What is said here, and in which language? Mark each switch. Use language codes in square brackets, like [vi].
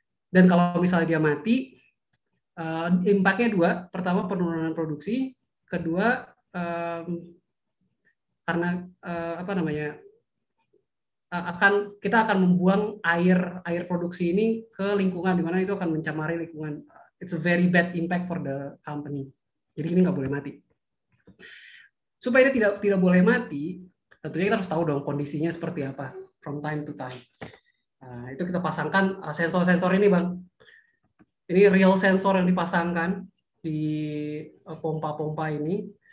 [id] Dan kalau misalnya dia mati, impact-nya dua. Pertama penurunan produksi, kedua karena apa namanya akan kita akan membuang air produksi ini ke lingkungan di mana itu akan mencemari lingkungan. [en] It's a very bad impact for the company. [id] Jadi ini nggak boleh mati. Supaya ini tidak boleh mati, tentunya kita harus tahu dong kondisinya seperti apa [en] from time to time. [id] Nah, itu kita pasangkan sensor-sensor ini Bang. Ini real sensor yang dipasangkan di pompa-pompa ini.